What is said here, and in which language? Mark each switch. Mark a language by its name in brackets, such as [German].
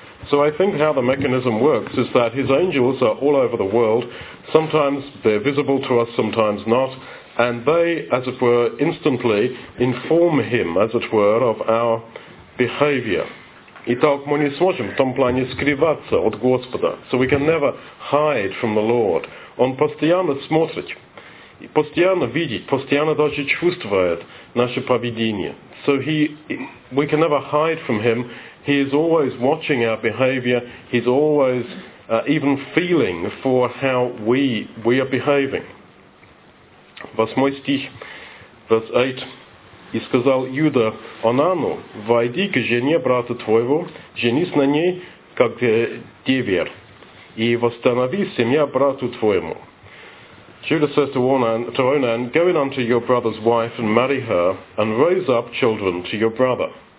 [English] So I think how the mechanism works is that his angels are all over the world, sometimes they're visible to us, sometimes not, and they, as it were, instantly inform him, as it were, of our behavior. [Russian] Итак, мы не сможем в том плане скрываться от Господа. [English] So we can never hide from the Lord. [Russian] Он постоянно смотрит, постоянно видит, постоянно даже чувствует наше поведение. [English] So we can never hide from him. He is always watching our behavior. He's always even feeling for how we are behaving. [Russian] Восьмой стих, [English] verse 8. [Russian] И сказал Юда Онану, войди к жене брата твоего, женись на ней, как девер, и восстанови семья брату твоему. [English] Judah says to Onan, go in unto your brother's wife and marry her, and raise up children to your brother.